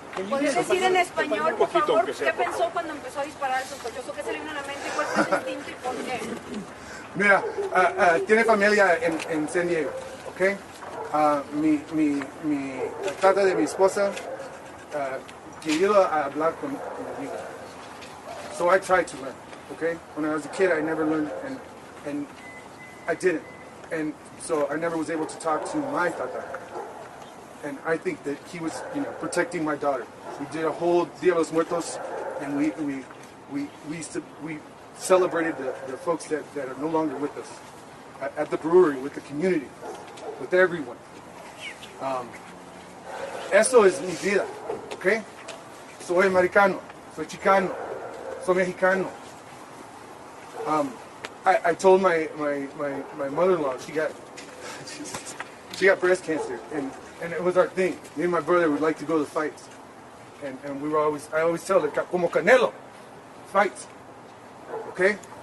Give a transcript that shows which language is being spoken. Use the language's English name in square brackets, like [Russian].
[Spanish] ¿Puedes decir en español, por favor, qué pensó cuando empezó a disparar el sospechoso? ¿Qué se le vino a la mente? ¿Cuál fue el instinto y por qué? Mira, tiene familia en San Diego, ¿ok? Mi tata de mi esposa quería hablar con mi amiga. [English] So I tried to learn, [Spanish] ¿ok? [English] When I was a kid, I never learned, and I didn't. And so I never was able to talk to my tata. And I think that he was, you know, protecting my daughter. We did a whole Día de los Muertos, and we celebrated the folks that are no longer with us at the brewery, with the community, with everyone. [Spanish] Eso es mi vida, [English] okay? [Spanish] Soy americano, soy chicano, soy mexicano. [English] I told my mother-in-law, she got breast cancer, and it was our thing. Me and my brother would like to go to the fights, and we were always, I always tell her, [Spanish] como Canelo, fights. [English] Okay?